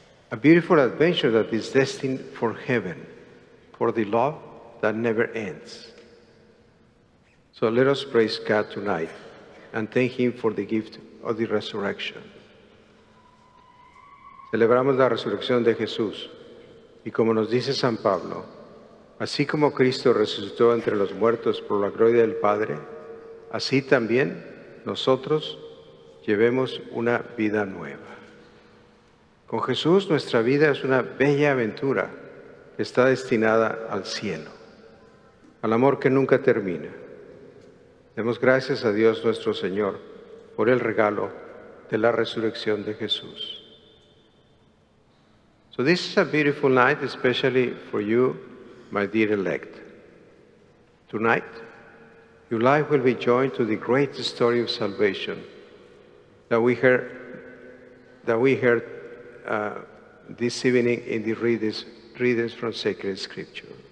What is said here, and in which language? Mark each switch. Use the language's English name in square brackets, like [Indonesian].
[English] A beautiful adventure that is destined for heaven, for the love that never ends. So let us praise God tonight and thank him for the gift of the resurrection. [Spanish] Celebramos la resurrección de Jesús y como nos dice San Pablo, así como Cristo resucitó entre los muertos por la gloria del Padre, así también nosotros llevemos una vida nueva. Con Jesús nuestra vida es una bella aventura que está destinada al cielo, al amor que nunca termina. Demos gracias a Dios nuestro Señor por el regalo de la resurrección de Jesús. [English] So this is a beautiful night, especially for you, my dear elect. Tonight, your life will be joined to the great story of salvation that we heard this evening in the readings from Sacred Scripture.